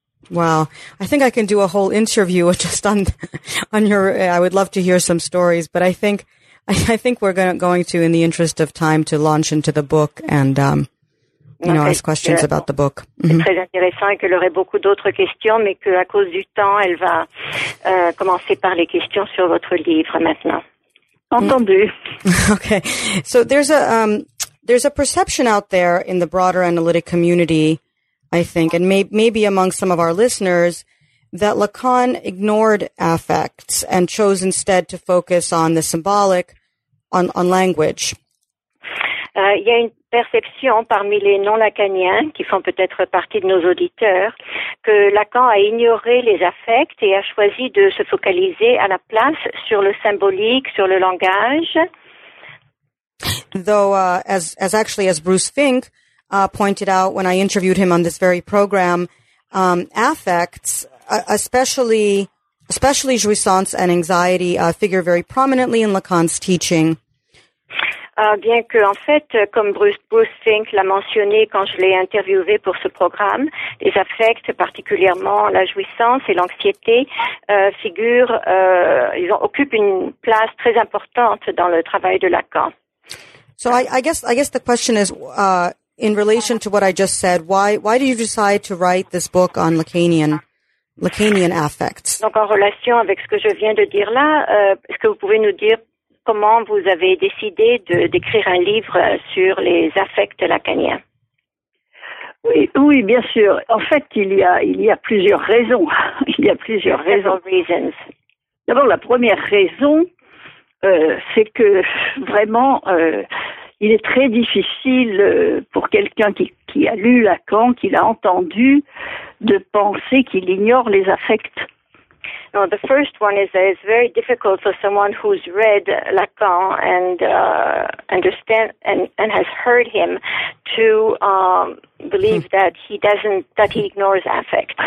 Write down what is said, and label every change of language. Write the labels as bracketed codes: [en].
[en] Wow, I think I can do a whole interview just on your. I would love to hear some stories, but I think we're going to, in the interest of time, to launch into the book and ask questions about the book. Mm-hmm. [fr] C'est très intéressant, et qu'elle aurait beaucoup d'autres questions, mais que à cause du temps, elle va commencer par les questions sur votre livre maintenant. Entendu. [en] Okay, so there's a perception out there in the broader analytic community, I think, and maybe among some of our listeners, that Lacan ignored affects and chose instead to focus on the symbolic, on language. [fr] Il y a une perception parmi les non-lacaniens, qui font peut-être partie de nos auditeurs, que Lacan a ignoré les affects et a choisi de se focaliser à la place sur le symbolique, sur le langage. [en] Though, as Bruce Fink pointed out when I interviewed him on this very program, affects, especially jouissance and anxiety, figure very prominently in Lacan's teaching. [fr] Bien que, en fait, comme Bruce Fink l'a mentionné quand je l'ai interviewé pour ce programme, les affects, particulièrement la jouissance et l'anxiété, occupent une place très importante dans le travail de Lacan. [en] So I guess the question is, in relation to what I just said, why did you decide to write this book on Lacanian affects? [fr] Donc en relation avec ce que je viens de dire là, est-ce que vous pouvez nous dire comment vous avez décidé d'écrire un livre sur les affects lacaniens? Oui, bien sûr. En fait, il y a plusieurs raisons. Il y a plusieurs raisons. [en] Reasons. [fr] D'abord, la première raison, c'est que vraiment, il est très difficile pour quelqu'un qui a lu Lacan, qui l'a entendu, de penser qu'il ignore les affects. [en] No, the first one is that it's very difficult for someone who's read Lacan and understand and has heard him to believe that he ignores affect.